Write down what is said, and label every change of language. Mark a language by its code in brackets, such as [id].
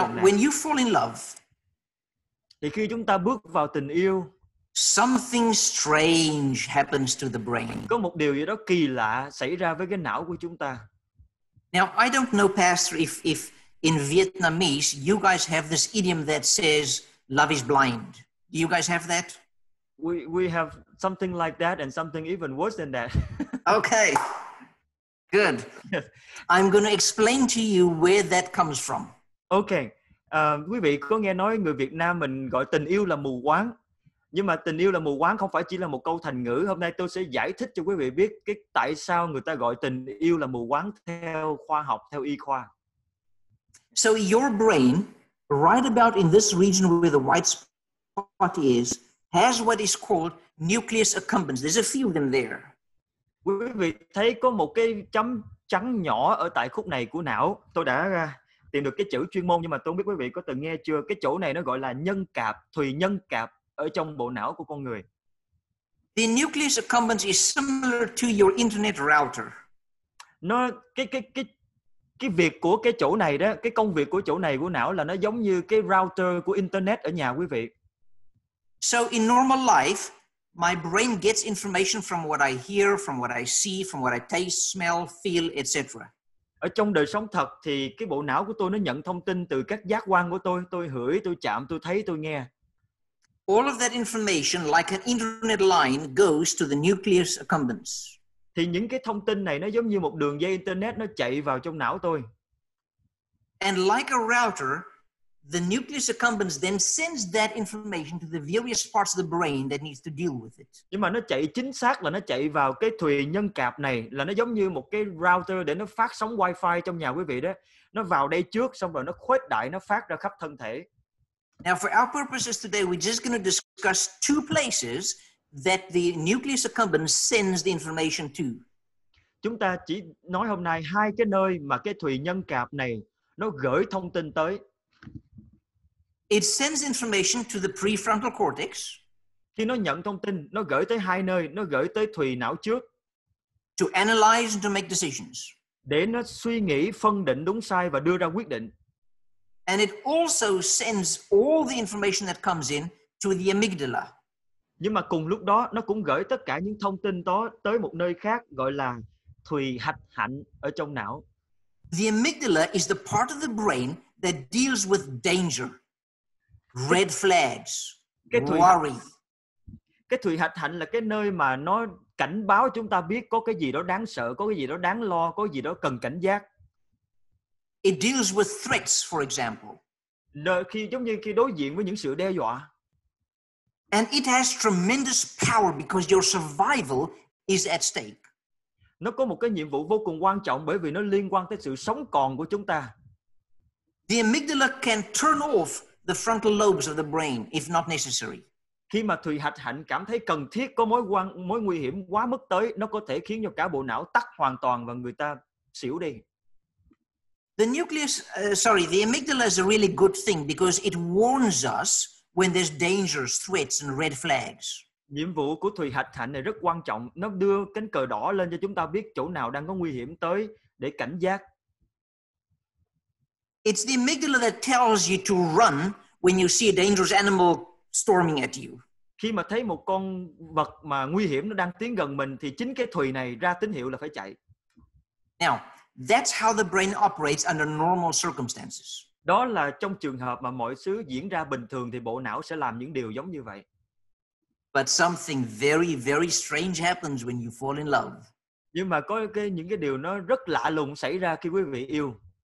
[vi] vùng này. [en] Now, when you fall in love, [vi] thì khi chúng ta bước vào tình yêu, [en] something strange happens to the brain. [vi] Có một điều gì đó kỳ lạ xảy ra với cái não của chúng ta. [en] Now, I don't know, Pastor, if in Vietnamese you guys have this idiom that says love is blind. Do you guys have that? We have something like that and something even worse than that. Okay, good. I'm going to explain to you where that comes from. [vi] Okay, quý vị có nghe nói người Việt Nam mình gọi tình yêu là mù quáng. Nhưng mà tình yêu là mù quáng không phải chỉ là một câu thành ngữ. Hôm nay tôi sẽ giải thích cho quý vị biết cái tại sao người ta gọi tình yêu là mù quáng theo khoa học, theo y khoa. [en] So your brain, right about in this region where the white spot is, has what is called nucleus accumbens. There's a few of them there. [vi] Quý vị thấy có một cái chấm trắng nhỏ ở tại khúc này của não. Tôi đã tìm được cái chữ chuyên môn, nhưng mà tôi không biết quý vị có từng nghe chưa, cái chỗ này nó gọi là nhân cạp, thùy nhân cạp ở trong bộ não của con người. [en] The nucleus accumbens is similar to your internet router. [vi] Nó cái việc của cái chỗ này đó, cái công việc của chỗ này của não là nó giống như cái router của internet ở nhà quý vị. [en] So in normal life, my brain gets information from what I hear, from what I see, from what I taste, smell, feel, etc. [vi] Ở trong đời sống thật thì cái bộ não của tôi nó nhận thông tin từ các giác quan của tôi hửi, tôi chạm, tôi thấy, tôi nghe. [en] All of that information, like an internet line, goes to the nucleus accumbens. [vi] Thì những cái thông tin này nó giống như một đường dây internet, nó chạy vào trong não tôi. [en] And like a router, the nucleus accumbens then sends that information to the various parts of the brain that needs to deal with it. [vi] Nhưng mà nó chạy chính xác là nó chạy vào cái thùy nhân cạp này, là nó giống như một cái router để nó phát sóng wifi trong nhà quý vị đó. Nó vào đây trước, xong rồi nó khuếch đại, nó phát ra khắp thân thể. [en] Now for our purposes today, we're just going to discuss two places that the nucleus accumbens sends the information to. [vi] Chúng ta chỉ nói hôm nay hai cái nơi mà cái thùy nhân cạp này nó gửi thông tin tới. [en] It sends information to the prefrontal cortex. [vi] Khi nó nhận thông tin, nó gửi tới hai nơi, nó gửi tới thùy não trước. [en] To analyze and to make decisions. [vi] Để nó suy nghĩ, phân định đúng sai và đưa ra quyết định. [en] And it also sends all the information that comes in to the amygdala. [vi] Nhưng mà cùng lúc đó, nó cũng gửi tất cả những thông tin đó tới một nơi khác gọi là thùy hạch hạnh ở trong não. [en] The amygdala is the part of the brain that deals with danger, red flags, [vi] cái thùy, [en] worry. [vi] Cái thùy hạch hạnh là cái nơi mà nó cảnh báo chúng ta biết có cái gì đó đáng sợ, có cái gì đó đáng lo, có cái gì đó cần cảnh giác. [en] It deals with threats, for example. [vi] Nơi khi giống như khi đối diện với những sự đe dọa. [en] And it has tremendous power because your survival is at stake. [vi] Nó có một cái nhiệm vụ vô cùng quan trọng bởi vì nó liên quan tới sự sống còn của chúng ta. [en] The amygdala can turn off the frontal lobes of the brain if not necessary. [vi] Khi mà thùy hạch hạnh cảm thấy cần thiết, có mối nguy hiểm quá mức tới, nó có thể khiến cho cả bộ não tắt hoàn toàn và người ta xỉu đi. [en] The amygdala is a really good thing because it warns us when there's dangers, threats and red flags. [vi] Nhiệm vụ của thùy hạch hạnh này rất quan trọng. Nó đưa cánh cờ đỏ lên cho chúng ta biết chỗ nào đang có nguy hiểm tới để cảnh giác. [en] It's the amygdala that tells you to run when you see a dangerous animal storming at you. [vi] Khi mà thấy một con vật mà nguy hiểm nó đang tiến gần mình thì chính cái thùy này ra tín hiệu là phải chạy. [en] Now, that's how the brain operates under normal circumstances. [vi] Đó là trong trường hợp mà mọi thứ diễn ra bình thường thì bộ não sẽ làm những điều giống như vậy. [en] But something very, very strange happens when you fall in love. [vi] Nhưng mà có những cái điều nó rất lạ lùng xảy ra khi quý vị yêu.